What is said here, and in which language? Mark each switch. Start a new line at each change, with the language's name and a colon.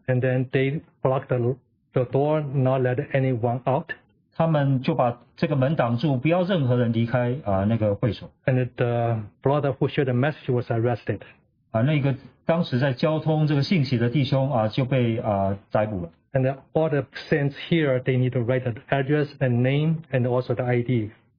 English: And then they blocked the door, not let anyone out.
Chinese: 他们就把这个门挡住，不要任何人离开那个会所。
English: And the brother who shared the message was arrested.
Chinese: 那个当时在交通这个信息的弟兄就被逮捕了。
English: And all the saints here, they need to write the address and name and also the ID.